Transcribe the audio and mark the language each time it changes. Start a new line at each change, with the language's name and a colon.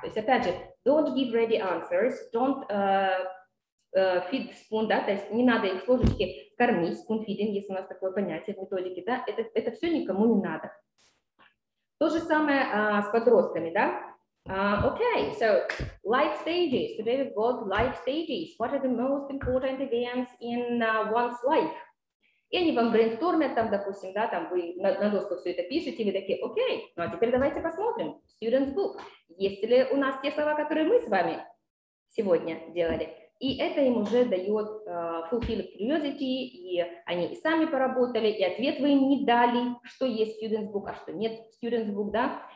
Russian: То есть, опять же,
English: don't give ready answers, don't feed spoon,
Russian: да, то есть не надо их с ложечки кормить,
English: spoon feeding,
Russian: если у нас такое понятие в методике, да, это все никому не надо. То же самое с подростками, да.
English: Okay, so life stages. Today we've got life stages. What are the most important events in one's life?
Russian: И они вам брейнстормят там, допустим, да, там вы на доску все это пишете, вы такие, окей, ну а теперь давайте посмотрим.
English: Student's book.
Russian: Есть ли у нас те слова, которые мы с вами сегодня делали? И это им уже дает
English: fulfilled curiosity,
Russian: и они и сами поработали, и ответ вы им не дали, что есть student's book, а что нет student's book, да.